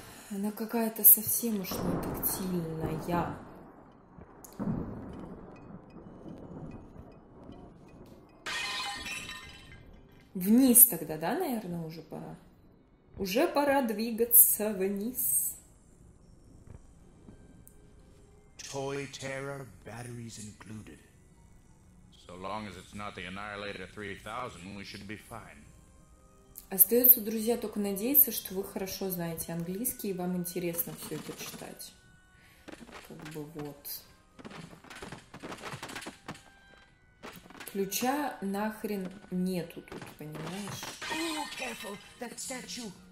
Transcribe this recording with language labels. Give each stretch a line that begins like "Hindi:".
Russian: Она какая-то совсем уж не тактильная. Вниз тогда, да, наверное, уже пора? Уже пора двигаться вниз.
English: Toy Terror batteries included. So long as it's not the Annihilator 3000, we should be fine.
Russian: Остается, друзья, только надеяться, что вы хорошо знаете английский и вам интересно все это читать. Как бы вот. Ключа нахрен нету тут, понимаешь?
English: Oh, careful, that statue.